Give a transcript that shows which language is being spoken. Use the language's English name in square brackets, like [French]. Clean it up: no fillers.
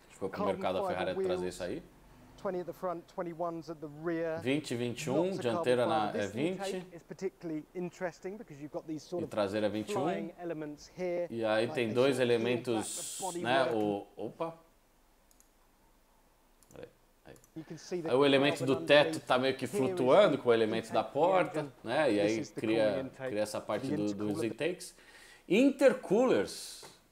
[Portuguese] foi pro mercado da Ferrari trazer isso aí. [English] 20 at the front, 21s at the rear. [Portuguese] 20-21, dianteira na 20. [English] It's particularly interesting because you've got these sort of [Portuguese] traseira 21. [English] Elements here. [Portuguese] E aí tem dois elementos, né? Opa. Aí o elemento do teto está meio que flutuando com o elemento da porta, né? E aí cria essa parte dos intakes. Intercoolers.